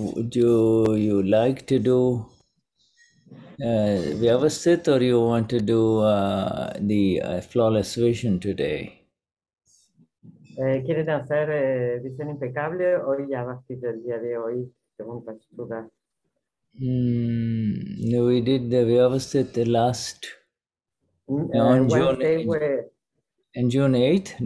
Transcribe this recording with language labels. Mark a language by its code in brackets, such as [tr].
[en] Do you like to do Vyavasthit, or you want to do the flawless vision today? [es] ¿Quieren hacer visión impecable o Vyavasthit el día de hoy, según Patricia? [en] We did the Vyavasthit the last on June 8th.